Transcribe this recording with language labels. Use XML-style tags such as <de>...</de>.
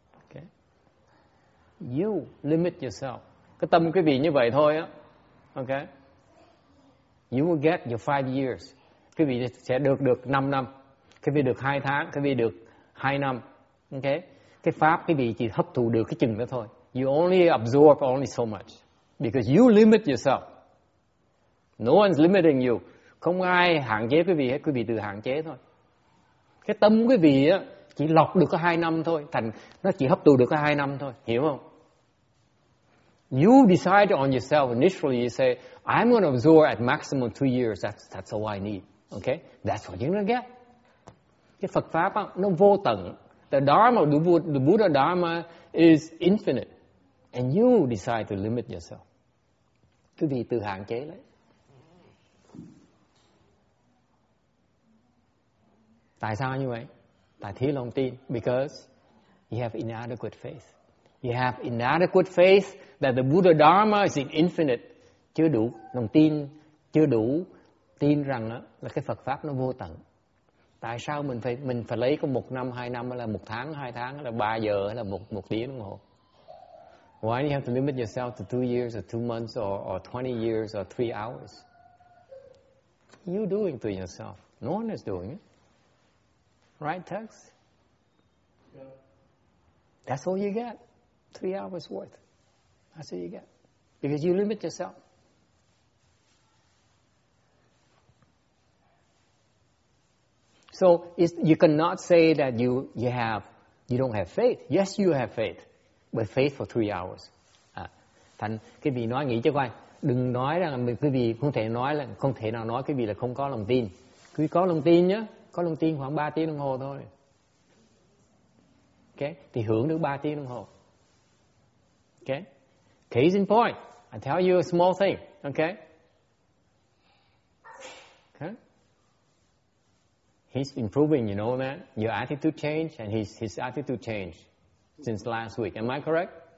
<en>Okay. You limit yourself.</en> <vi>Cái tâm quý vị như vậy thôi á. Okay?</vi> <en>You will get your 5 years.</en> <vi>Quý vị sẽ được 5 năm. Quý vị được 2 tháng, quý vị được 2 năm. Okay? Cái pháp quý vị chỉ hấp thụ được cái chừng đó thôi.</vi> <en>You only absorb only so much because you limit yourself. No one's limiting you.</en> <vi>Không ai hạn chế quý vị hết, quý vị tự hạn chế thôi. Cái tâm quý vị á chỉ lọc được có 2 năm thôi, thành nó chỉ hấp thụ được có 2 năm thôi, hiểu không?</vi> <en>You decide on yourself initially, you say I'm going to absorb at maximum 2 years, that's all I need. Okay? That's what you're going to get.</en> <vi>Cái Phật pháp á nó vô tận.</vi> <en>The Dharma, the Buddha Dharma is infinite. And you decide to limit yourself.</en> <vi>Quý vị tự hạn chế đấy. Tại sao như vậy? Tại thiếu lòng tin.</vi> <en>Because you have inadequate faith. You have inadequate faith that the Buddha Dharma is infinite.</en> <vi>Chưa đủ lòng tin. Chưa đủ tin rằng là cái Phật Pháp nó vô tận. Tại sao mình phải lấy có 1 năm, 2 năm, là 1 tháng, 2 tháng, là 3 giờ, là 1 tiếng đồng hồ?</vi> <en>Why do you have to limit yourself to 2 years or 2 months or 20 years or 3 hours? You doing to yourself. No one is doing it. Right, Tex? That's all you get. 3 hours worth. That's all you get. Because you limit yourself. So you cannot say that you don't have faith. Yes, you have faith, but faith for 3 hours.</en> <vi>Thành cái vị nói nghĩ cho coi, đừng nói rằng mình cái vị không thể nào nói cái vị là không có lòng tin. Cứ có lòng tin nhá, có lòng tin khoảng 3 tiếng đồng hồ thôi. Okay, thì hưởng được 3 tiếng đồng hồ.</vi> <en>Okay, case in point, I tell you a small thing. Okay. He's improving, you know that. Your attitude changed, and his attitude changed since last week. Am I correct?</en>